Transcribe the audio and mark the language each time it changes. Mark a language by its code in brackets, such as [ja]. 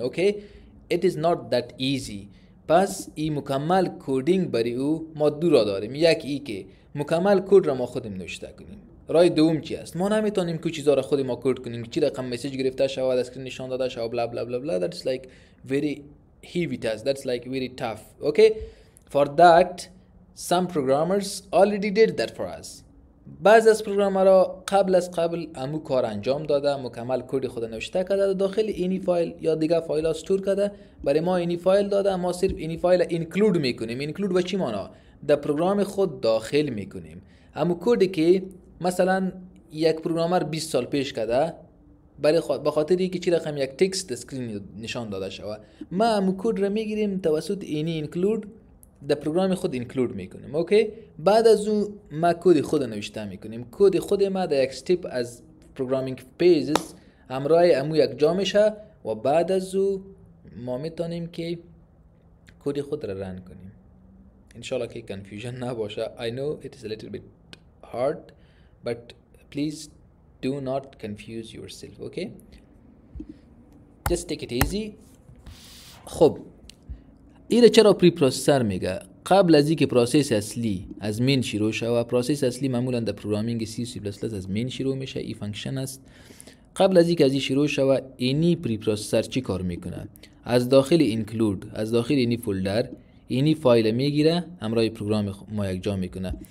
[fa] اوکی، [en] It is not that easy. [fa] پس این مکمل کدینگ برای او ما دو را داریم. یک، ای که مکمل کد را ما خودم نوشته کنیم. رای دوم چی است؟ ما نمیتونیم که چیزها را خود ما کد کنیم، چی رقم مسیج گرفته شود، اسکرین نشان داده شود، بلا بلا بلا بلا. [en] That's like very heavy task. That's like very tough. Okay? For that, some programmers already did that for us. [fa] بعض از پروگرامرها قبل از قبل امو کار انجام داده، مکمل کد خود نوشته کرده، داخل اینی فایل یا دیگه فایل ها استور کرده، برای ما اینی فایل داده، ما صرف اینی فایل اینکلود میکنیم. اینکلود به چی معنا؟ در پروگرام خود داخل میکنیم. امو کدی که مثلا یک پروگرامر 20 سال پیش کرده، برای خود به خاطر اینکه چی رقم یک تکست اسکرین نشان داده شوه، ما امو کد را میگیریم توسط اینی اینکلود در پروگرام خود اینکلود میکنیم. اوکی، بعد از اون ما کد خود نوشته میکنیم. کد خود ما در یک استپ از پروگرامینگ پیجز همراه امو یک جا میشه، و بعد از اون ما میتونیم که کد خود را رن کنیم. انشالله که کنفیوژن نباشه. [en] I know it is a little bit hard, but please do not confuse yourself. Okay, just take it easy. [fa] خب این چرا پری پروسسر میگه؟ قبل از اینکه پروسس اصلی از مین شروع شه، و پروسس اصلی معمولا در پروگرامینگ سی سی پلس پلس از مین شروع میشه، این فانکشن است. قبل از اینکه از این شروع شه، اینی پری پروسسر چی کار میکنه؟ از داخل اینکلود، از داخل اینی فولدر، اینی فایل میگیره، همراه پروگرام ما یکجا میکنه.